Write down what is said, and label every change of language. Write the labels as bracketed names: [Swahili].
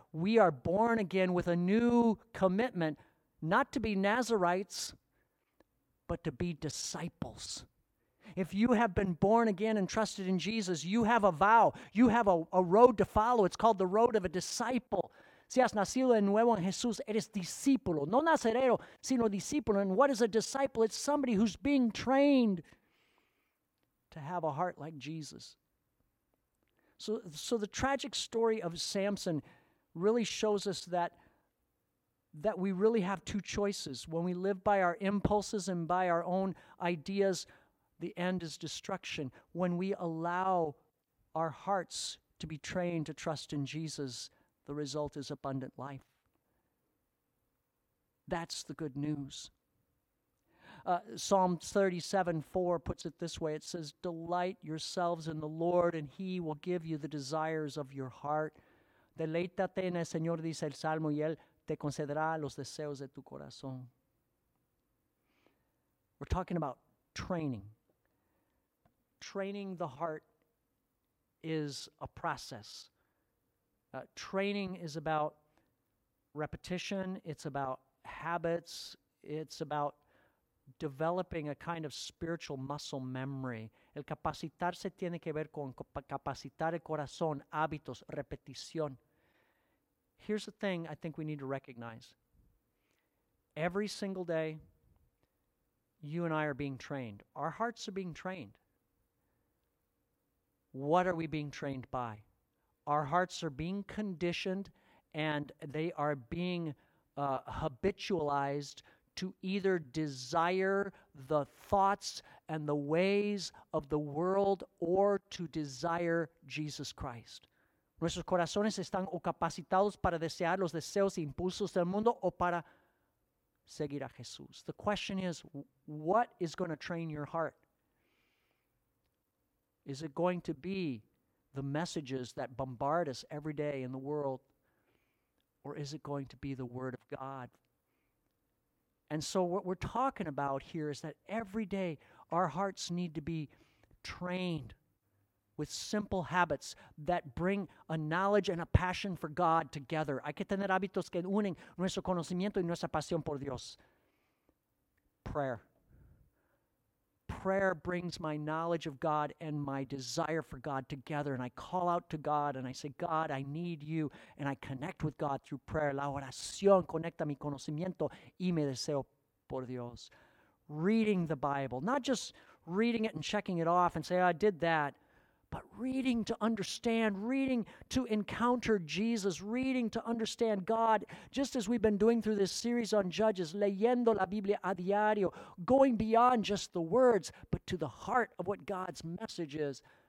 [English] We are born again with a new commitment, not to be Nazarites, but to be disciples. If you have been born again and trusted in Jesus, you have a vow. You have a road to follow. It's called the road of a disciple. [Spanish] Si has nacido de nuevo en Jesús, eres discípulo. No nazareo, sino discípulo. [English] And what is a disciple? It's somebody who's being trained to have a heart like Jesus. So the tragic story of Samson really shows us that we really have two choices. When we live by our impulses and by our own ideas, the end is destruction. When we allow our hearts to be trained to trust in Jesus, the result is abundant life. That's the good news. Psalm 37:4 puts it this way. It says, delight yourselves in the Lord, and he will give you the desires of your heart. [Spanish] Deleítate en el Señor, dice el Salmo, y él te concederá los deseos de tu corazón. [English] We're talking about training. Training the heart is a process. Training is about repetition. It's about habits. It's about developing a kind of spiritual muscle memory. [Spanish] El capacitarse tiene que ver con capacitar el corazón, hábitos, repetición. [English] Here's the thing I think we need to recognize. Every single day, you and I are being trained. Our hearts are being trained. What are we being trained by? Our hearts are being conditioned and they are being habitualized to either desire the thoughts and the ways of the world or to desire Jesus Christ. [Spanish] Nuestros corazones están o capacitados para desear los deseos e impulsos del mundo o para seguir a Jesús. [English] The question is, what is going to train your heart? Is it going to be the messages that bombard us every day in the world? Or is it going to be the Word of God? And so what we're talking about here is that every day our hearts need to be trained with simple habits that bring a knowledge and a passion for God together. [Spanish] Hay que tener hábitos que unen nuestro conocimiento y nuestra pasión por Dios. [English] Prayer. Prayer brings my knowledge of God and my desire for God together. And I call out to God and I say, God, I need you. And I connect with God through prayer. [Spanish] La oración conecta mi conocimiento y mi deseo por Dios. [English] Reading the Bible, not just reading it and checking it off and say, oh, I did that, but reading to understand, reading to encounter Jesus, reading to understand God, just as we've been doing through this series on Judges, [Spanish] leyendo la Biblia a diario, [English] going beyond just the words, but to the heart of what God's message is.